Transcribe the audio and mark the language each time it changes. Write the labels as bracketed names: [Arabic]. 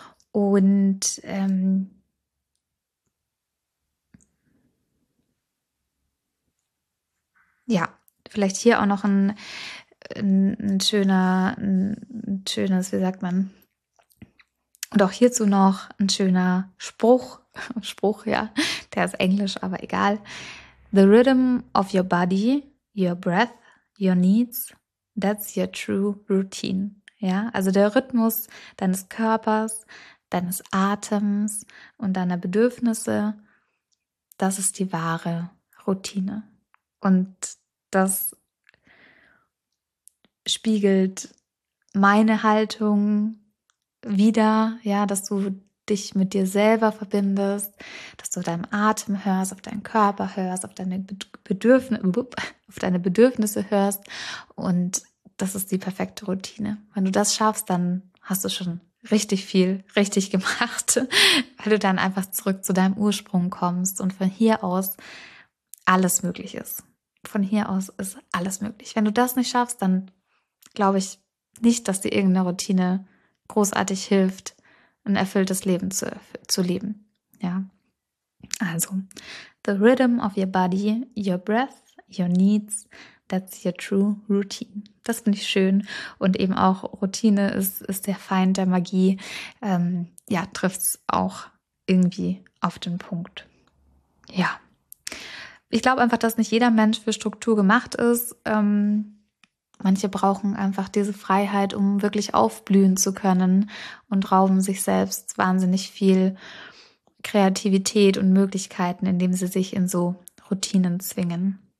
[German] Und ja, vielleicht hier auch noch ein schönes, wie sagt man, und auch hierzu noch ein schöner Spruch, ja, der ist Englisch, aber egal. [English] The rhythm of your body, your breath, your needs, that's your true routine. [German] Ja, also der Rhythmus deines Körpers, deines Atems und deiner Bedürfnisse, das ist die wahre Routine. Und das spiegelt meine Haltung wieder, ja, dass du dich mit dir selber verbindest, dass du deinem Atem hörst, auf deinen Körper hörst, auf deine Bedürfnisse hörst. Und das ist die perfekte Routine. Wenn du das schaffst, dann hast du schon richtig viel richtig gemacht, weil du dann einfach zurück zu deinem Ursprung kommst und von hier aus alles möglich ist. Von hier aus ist alles möglich. Wenn du das nicht schaffst, dann glaube ich nicht, dass dir irgendeine Routine großartig hilft, ein erfülltes Leben zu leben. Ja. [English] Also, the rhythm of your body, your breath, your needs, that's your true routine. [German] Das finde ich schön. Und eben auch Routine ist der Feind der Magie. Ja, trifft es auch irgendwie auf den Punkt. Ja. Ich glaube einfach, dass nicht jeder Mensch für Struktur gemacht ist. Manche brauchen einfach diese Freiheit, um wirklich aufblühen zu können und rauben sich selbst wahnsinnig viel Kreativität und Möglichkeiten, indem sie sich in so Routinen zwingen.